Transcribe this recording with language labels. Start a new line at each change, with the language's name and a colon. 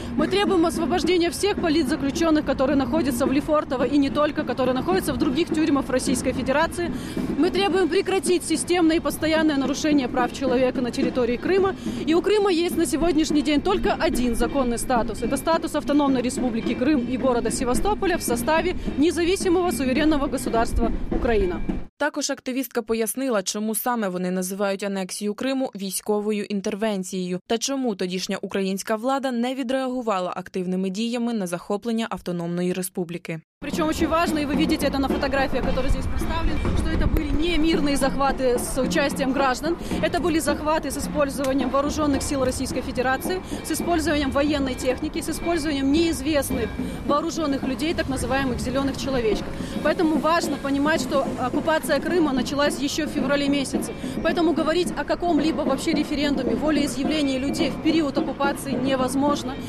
Russian: Мы требуем освобождения всех политзаключенных, которые находятся в Лефортово и не только, которые находятся в других тюрьмах Российской Федерации. Мы требуем прекратить системное и постоянное нарушение прав человека на территории Крыма. И у Крыма есть на сегодняшний день только один законный статус. Это статус Автономной Республики Крым и города Севастополя в составе независимого суверенного государства.
Ukrainian: Україна. Також активістка пояснила, чому саме вони називають анексію Криму військовою інтервенцією та чому тодішня українська влада не відреагувала активними діями на захоплення Автономної Республіки. Причому дуже важливо, і ви бачите це на фотографіях, які тут представлені, що це були
Russian: не мирные захваты с участием граждан. Это были захваты с использованием вооруженных сил Российской Федерации, с использованием военной техники, с использованием неизвестных вооруженных людей, так называемых зеленых человечков. Поэтому важно понимать, что оккупация Крыма началась еще в феврале месяце. Поэтому говорить о каком-либо вообще референдуме, волеизъявлении людей в период оккупации невозможно.